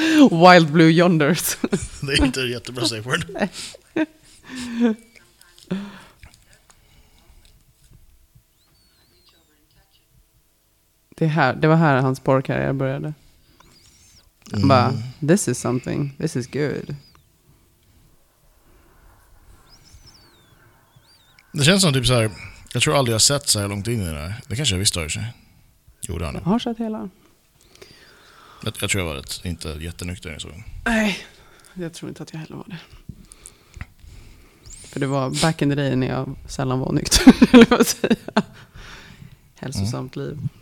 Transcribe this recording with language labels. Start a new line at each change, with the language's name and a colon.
English: Wild Blue Yonders.
Swedish: Det är inte jättebra safe word. Det här, det var här hans porrkarriär började. Han bara,
English: this is something, this is good.
Swedish: Det känns som typ så här, jag tror aldrig jag sett så här långt in i det här. Det kanske jag visste har ju sig. Jo, det har nu. Jag har sett hela. Jag tror jag var inte jättenykter i sådan. Nej, jag tror inte att jag heller var det. För det var
English: back in the day
Swedish: när jag sällan var nykter, eller vad säger jag. Hälsosamt liv.